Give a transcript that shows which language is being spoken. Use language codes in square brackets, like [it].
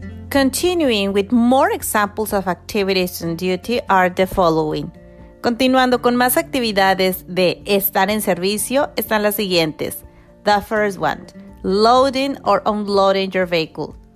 [en] Continuing with more examples of activities on duty are the following. [es] Continuando con más actividades de estar en servicio están las siguientes. [en] The first one, loading or unloading your vehicle.